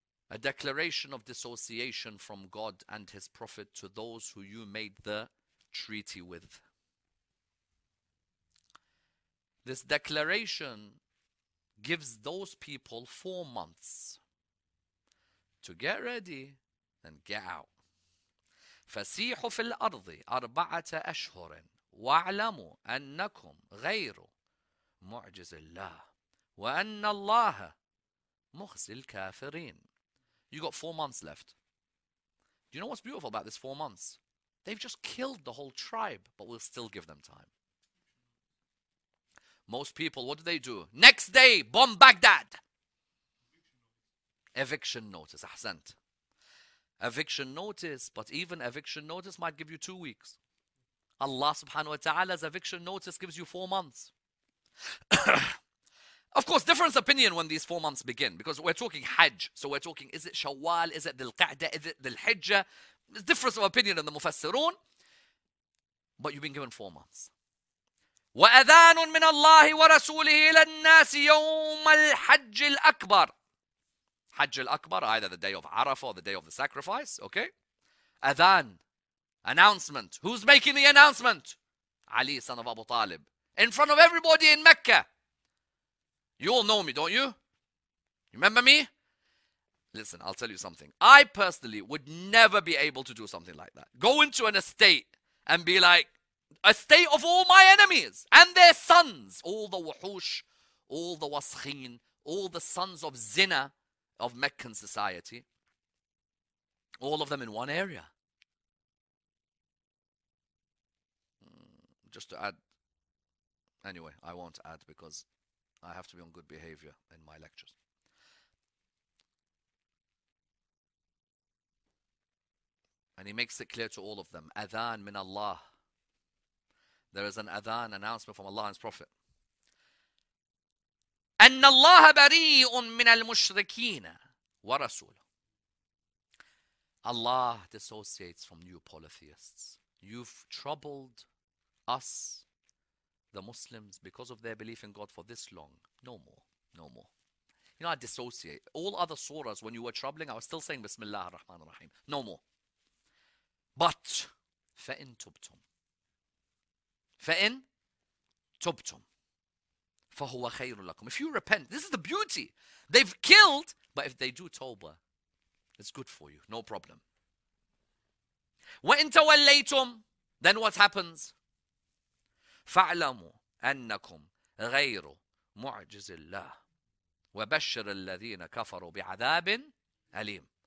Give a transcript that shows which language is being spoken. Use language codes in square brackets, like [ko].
[en] A declaration of dissociation from God and His Prophet to those who you made the treaty with. This declaration gives those people 4 months to get ready and get out. [ar] فسيحوا في الأرض 4 أشهر واعلموا أنكم غير معجز الله وأن الله مخزي الكافرين. [en] You got 4 months left. Do you know what's beautiful about this 4 months? They've just killed the whole tribe, but we'll still give them time. Most people, what do? Next day, bomb Baghdad. Eviction notice, ahsant. Eviction notice, but even eviction notice might give you 2 weeks. Allah subhanahu wa ta'ala's eviction notice gives you 4 months. Of course, difference opinion when these 4 months begin, because we're talking Hajj. So we're talking, is it Shawwal? Is it Dhul Qa'dah? Is it Dhul Hijjah? Difference of opinion in the Mufassirun. But you've been given 4 months. [ar] وأذان من الله ورسوله إلى الناس يوم الحج الأكبر. حج الأكبر, [en] either the day of Arafah or the day of the sacrifice, okay? أذان, announcement. Who's making the announcement? علي son of Abu Talib. In front of everybody in Mecca. You all know me, don't you? Remember me? Listen, I'll tell you something. I personally would never be able to do something like that. Go into an estate and be like, a state of all my enemies and their sons. All the wuhush, all the wasqin, all the sons of zina of Meccan society. All of them in one area. Just to add, anyway, I won't add because I have to be on good behavior in my lectures. And he makes it clear to all of them, [ar] adhan min Allah. [en] There is an adhan announcement from Allah and His Prophet. [ar] أن الله بريء من المشركين ورسوله. [en] Allah dissociates from new polytheists. You've troubled us, the Muslims, because of their belief in God for this long. No more. No more. You know, I dissociate. All other surahs, when you were troubling, I was still saying Bismillah ar-Rahman ar-Rahim. No more. But, [ar] فَإِن تُبْتُمْ فَإِن تُبْتُمْ فَهُوَ خَيْرٌ لَكُمْ. [en] If you repent, this is the beauty. They've killed, but if they do tawbah, it's good for you. No problem. [ar] وَإِن تَوَلَّيْتُمْ, [en] then what happens? [ar] فَعْلَمُوا أَنَّكُمْ غَيْرُ مُعْجِزِ اللَّهِ وَبَشِّرِ الَّذِينَ كَفَرُوا بِعَذَابٍ أَلِيمٍ.